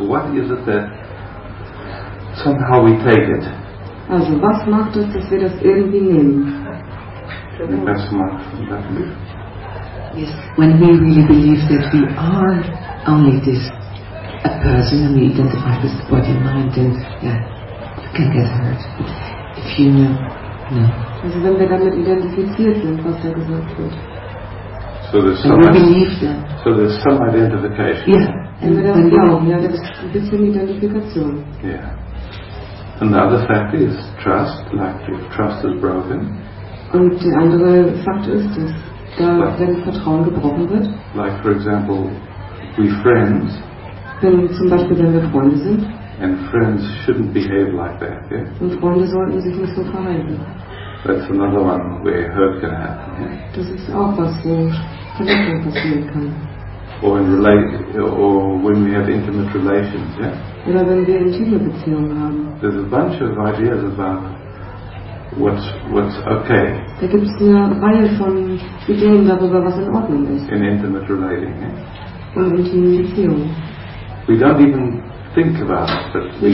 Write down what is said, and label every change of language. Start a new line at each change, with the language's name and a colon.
English: What is it that somehow we take it?
German: Also, was macht uns, dass wir das irgendwie nehmen? Das macht
English: yes, when we really believe that we are only this a person and we identify with the body and mind, then yeah, we can get hurt. If you know, no.
German: Also, wenn wir damit identifiziert sind, was da gesagt wird.
English: So there's some, we believe that. So there's some identification. Yeah. And then we know, yeah, there's a bit of identification. Yeah. And the other fact is trust, like if trust is broken.
German: Und der andere Fakt ist, dass da, wenn Vertrauen gebrochen wird,
English: like for example, we friends,
German: wenn zum Beispiel wenn wir Freunde sind,
English: and friends shouldn't behave like that, yeah?
German: Und Freunde sollten sich nicht so verhalten.
English: That's another one where hurt can happen. Yeah?
German: Das ist auch was, wo Verletzung passieren kann.
English: Or in or when we have intimate relations, yeah?
German: Oder wenn wir intime Beziehungen haben.
English: There's a bunch of ideas about what's okay.
German: Da gibt's eine Reihe von Ideen darüber, was in Ordnung ist.
English: In intimate relating, yeah?
German: Und intime Beziehung.
English: We don't even think about it, but we